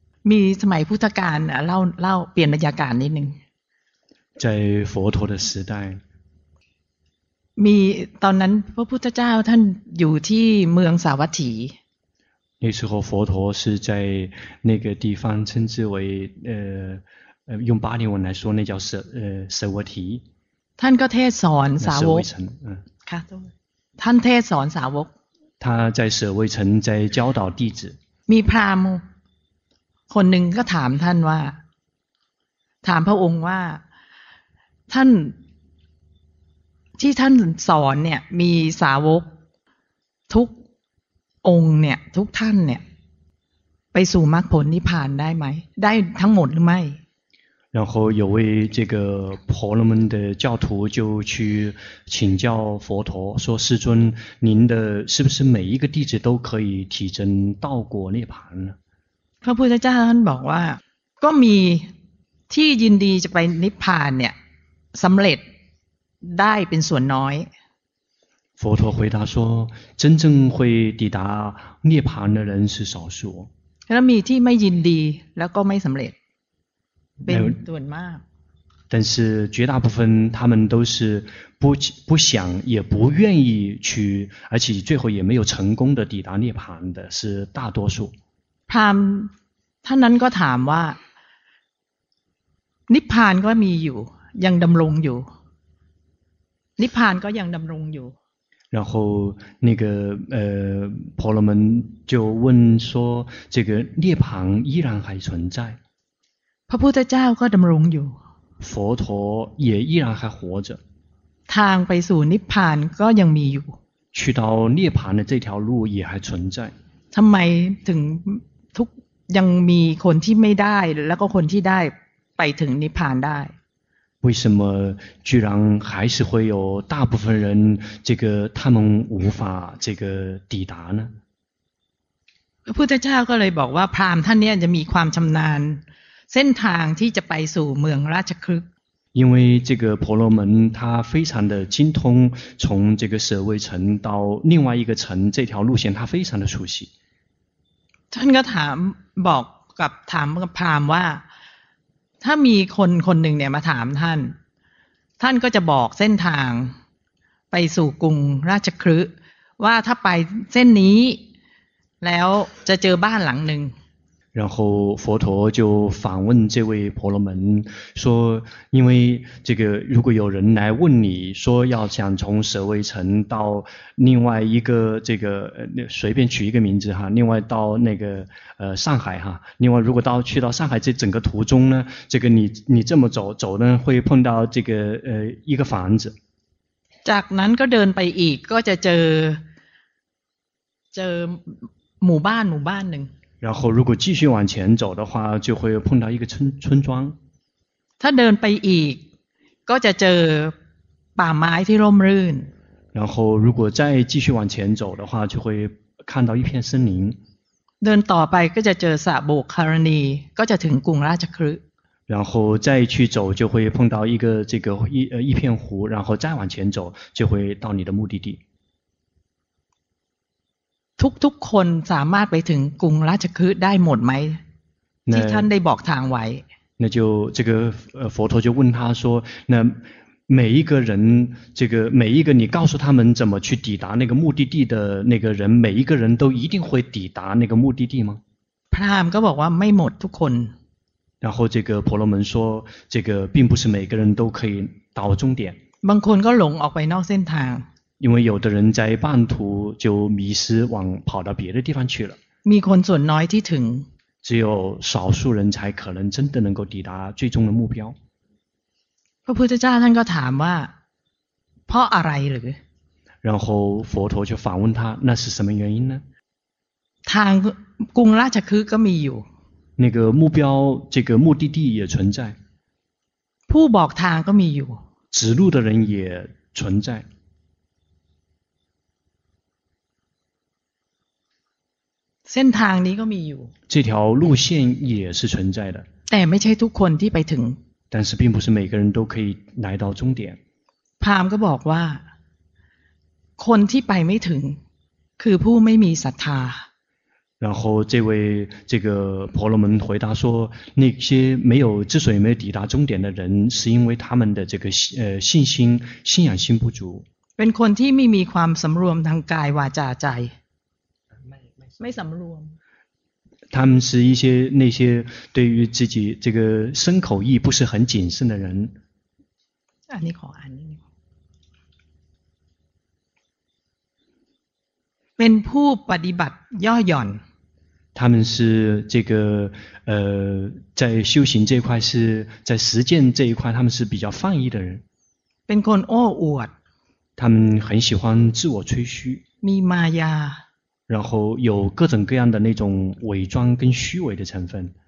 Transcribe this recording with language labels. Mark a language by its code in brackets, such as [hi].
[th] มีสมัยพุทธกาลเล่าเปลี่ยนบรรยากาศนิดนึง [zh] 在佛陀的时代 [th] มีตอนนั้นพระพุทธเจ้าท่านอยู่ที่เมืองสาวัตถี [zh] 那时候佛陀是在那个地方称之为用巴利文来说那叫舍瓦提 [th] ท่านก็เทศสอนสาวกค่ะท่านเทศสอนสาวก [zh] 他在舍卫城在教导弟子 [th] มีพราหมณ์คนหนึ่งก็ถามท่านว่าถามพระองค์ว่าท่านที่ท่านสอนเนี่ยมีสาวกทุกองค์เนี่ยทุกท่านเนี่ยไปสู่มรรคผลนิพพานได้ไหมได้ทั้งหมดหรือไม่ [zh] 然后有位这个婆罗门的教徒就去请教佛陀说师尊您的是不是每一个弟子都可以提升到果涅槃 [th] พระพุทธเจ้าท่านบอกว่าก็มีที่ยินดีจะไปนิพพานเนี่ยสำเร็จได้เป็นส่วนน้อย [zh] 佛陀回答说真正会抵达涅槃的人是少数 [th] แล้วมีที่ไม่ยินดีแล้วก็ไม่สำเร็จเป็นส่วนมาก [zh] 但是绝大部分他们都是 不想也不愿意去而且最后也没有成功的抵达涅槃的是大多数 [th] พราหมณ์ท่านนั้นก็ถามว่านิพพานก็มีอยู่ยังดำรงอยู่นิพพานก็ยังดำรงอยู่ [zh] 然后那个婆罗门就问说这个涅槃依然还存在 [th] พระพุทธเจ้าก็ดำรงอยู่ [zh] 佛陀也依然还活着 [th] ทางไปสู่นิพพานก็ยังมีอยู่ [zh] 去到涅槃的这条路也还存在 [th] ทำไมถึงทุกยังมีคนที่ไม่ได้แล้วก็คนที่ได้ไปถึงนิพพานได้ [zh] 为什么居然还是会有大部分人这个他们无法这个抵达呢 [th] พระพุทธเจ้าก็เลยบอกว่าพราหมณ์ท่านเนี่ยจะมีความชำนาญเส้นทางที่จะไปสู่เมืองราชคฤห์ [zh] 因为这个婆罗门他非常的精通从这个舍卫城到另外一个城这条路线他非常的熟悉 [th] ท่านก็ถามบอกกับถามกับพราหมณ์ว่าถ้ามีคนคนหนึ่งเนี่ยมาถามท่านท่านก็จะบอกเส้นทางไปสู่กรุงราชคฤห์ ว่าถ้าไปเส้นนี้แล้วจะเจอบ้านหลังหนึ่ง [zh] 然后佛陀就反问这位婆罗门说因为这个如果有人来问你说要想从舍卫城到另外一个这个随便取一个名字哈另外到那个上海哈另外如果到去到上海这整个途中呢这个你这么走呢会碰到这个一个房子 [th] จากนั้นก็เดินไปอีกก็จะเจอหมู่บ้านหนึ่ง [zh] 然后如果继续往前走的话就会碰到一个村庄 [th] ถ้าเดินไปอีกก็จะเจอป่าไม้ที่ร่มรื่น [zh] 然后如果再继续往前走的话就会看到一片森林 [th] เดินต่อไปก็จะเจอสระโบกขรณีก็จะถึงกรุงราชครึ [zh] 然后再去走就会碰到一个这个一片湖然后再往前走就会到你的目的地 [th] ทุกๆคนสามารถไปถึงกรุงราชคฤห์ได้หมดไหมที่ท่านได้บอกทางไว้ [zh] 那就这个佛陀就问他说那每一个人这个每一个你告诉他们怎么去抵达那个目的地的那个人每一个人都一定会抵达那个目的地吗 [th] พราหมณ์ก็บอกว่าไม่หมดทุกคน [zh] 然后这个婆罗门说这个并不是每个人都可以到终点 [th] บางคนก็หลงออกไปนอกเส้นทาง [zh] 因为有的人在半途就迷失往跑到别的地方去了 [th] มีคนส่วนน้อยที่ถึง [zh] 只有少数人才可能真的能够抵达最终的目标 [th] พระพุทธเจ้าท่านก็ถามว่าเพราะอะไรหรือ [zh] 然后佛陀就反问他那是什么原因呢 [th] ทางกรุงราชคฤห์ก็มีอยู่ [zh] 那个目标这个目的地也存在 [th] ผู้บอกทางก็มีอยู่ [zh] 指路的人也存在 [th] เส้นทางนี้ก็มีอยู่ [zh] 这条路线也是存在的 [th] แต่ไม่ใช่ทุกคนที่ไปถึง [zh] 但是并不是每个人都可以来到终点 [th] พราหมณ์ก็บอกว่าคนที่ไปไม่ถึงคือผู้ไม่มีศรัทธา [zh] 然后这位这个婆罗门回答说那些没有之所以没有抵达终点的人是因为他们的这个信心信仰心不足 [th] เป็นคนที่ไม่มีความสำรวมทางกายวาจาใจไม่สำรวม [zh] 他们是一些那些对于自己这个身口意不是很谨慎的人 [th] อันนี้ขออันนี้เป็นผู้ปฏิบัติย่อหย่อน [zh] 他们是这个在修行这一块是在实践这一块他们是比较放逸的人 [th] เป็นคนโอ้อวด [zh] 他们很喜欢自我吹嘘 [th] มีมายา [zh] 然后有各种各样的那种伪装跟虚伪的成分